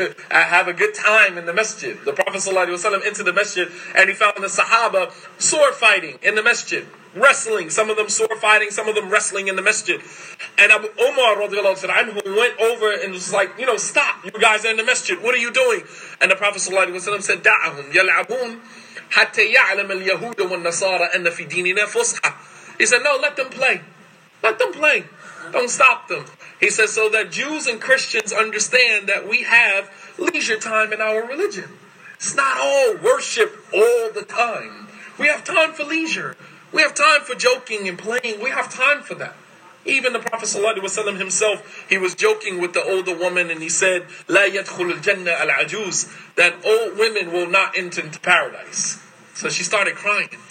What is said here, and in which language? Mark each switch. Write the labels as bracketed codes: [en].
[en] I have a good time in the masjid. The Prophet صلى الله عليه وسلم entered the masjid and he found the Sahaba sword fighting in the masjid, wrestling. Some of them sword fighting, some of them wrestling in the masjid. And Abu Umar radiallahu anhu, who went over and was like, you know, stop, you guys are in the masjid. What are you doing? And the Prophet [ar] صلى الله عليه وسلم [en] said, [ar] دعهم يلعبون حتى يعلم اليهود والنصارى أن في ديننا فسحة. [en] He said, no, let them play. Let them play. Don't stop them. He says, so that Jews and Christians understand that we have leisure time in our religion. It's not all worship all the time. We have time for leisure. We have time for joking and playing. We have time for that. Even the Prophet صلى الله عليه وسلم himself, he was joking with the older woman and he said, [ar] لا يدخل الجنة العجوز, [en] that old women will not enter into paradise. So she started crying.